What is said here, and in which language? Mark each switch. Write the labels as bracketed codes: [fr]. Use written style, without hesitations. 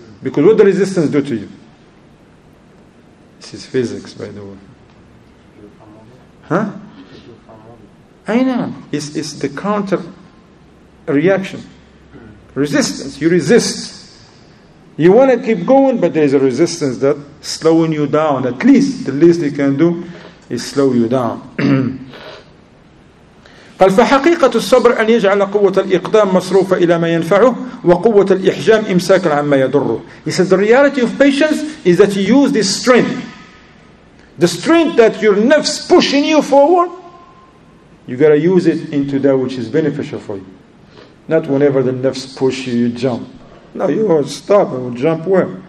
[en] Because what the resistance do to you? This is physics, by the way. Huh? I know. It's the counter reaction. Resistance. You resist. You want to keep going, but there is a resistance that slowing you down. At least, the least you can do is slow you down. [ar] قال فحقيقة الصبر أن يجعل قوة الإقدام مصروفة إلى ما ينفعه وقوة الإحجام إمساكا عما يضره. [en] He says the reality of patience is that you use this strength. The strength that your nafs pushing you forward, you got to use it into that which is beneficial for you. Not whenever the nafs push you, you jump. No, you will stop and jump where?